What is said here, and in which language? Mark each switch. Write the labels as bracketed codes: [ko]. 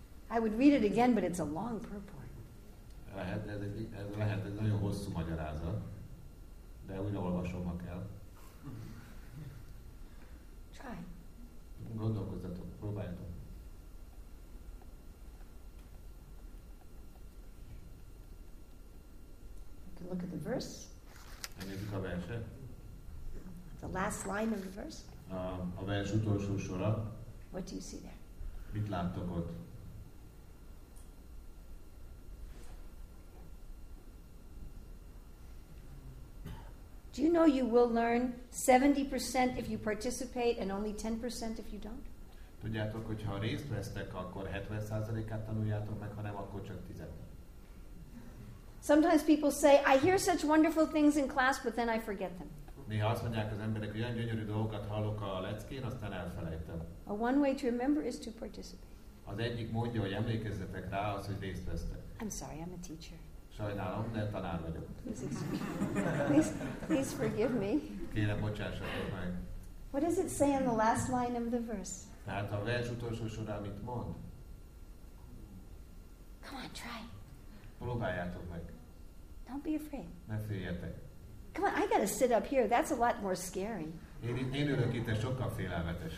[en] I would read it again, but it's a long purport. [hu] Lehet, ez nagyon hosszú magyarázat, de újra olvasom, ha kell. Gondolkozzatok, próbáljatok. [en] You can look at the verse. [hu] Megnézzük a verset. [en] The last line of the verse. [hu] A vers utolsó sora. [en] What do you see there? [hu] Mit láttok ott? [en] Do you know you will learn 70% if you participate and only 10% if you don't? [hu] Tudjátok, hogyha részt vesztek, akkor 70%-át tanuljátok meg, ha nem, akkor csak 10%. [en] Sometimes people say, I hear such wonderful things in class, but then I forget them. [hu] Néha azt mondják az emberek, hogy olyan gyönyörű dolgokat hallok a leckén, aztán elfelejtem. [en] A one way to remember is to participate. [hu] Az egyik módja, hogy emlékezzetek rá, az, hogy részt vesztek. [en] I'm sorry, I'm a teacher. [hu] Sajnálom, de tanár vagyok. [en] Please forgive me. [hu] Kérem, bocsássatok meg. [en] What does it say in the last line of the verse? [hu] Tehát a vers utolsó során mit mond? [en] Come on, try. [hu] Próbáljátok meg. [en] Don't be afraid. [hu] Ne féljetek. [en] Come on, I gotta sit up here. That's a lot more scary. [hu] Én ülök itt, ez sokkal félelmetesebb.